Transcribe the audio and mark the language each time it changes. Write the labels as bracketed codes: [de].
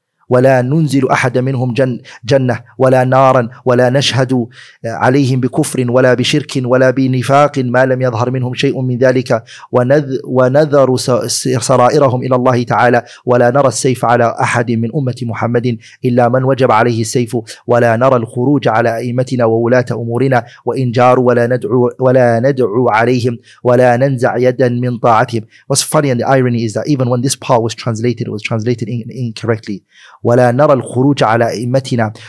[ar] ولا ننزل أحد منهم جنة ولا نارا ولا نشهد عليهم بكفر ولا بشرك ولا بنفاق ما لم يظهر منهم شيء من ذلك ونذر سرائرهم إلى الله تعالى ولا نرى السيف على أحد من أمة محمد إلا من وجب عليه السيف ولا نرى الخروج على أئمتنا وولاة أمورنا وإن جاروا ولا ندعو عليهم ولا ننزع يدا من طاعتهم. [en] What's funny and the irony is that even when this part was translated, it was translated incorrectly. [ar] ولا نرى الخروج على أئمتنا.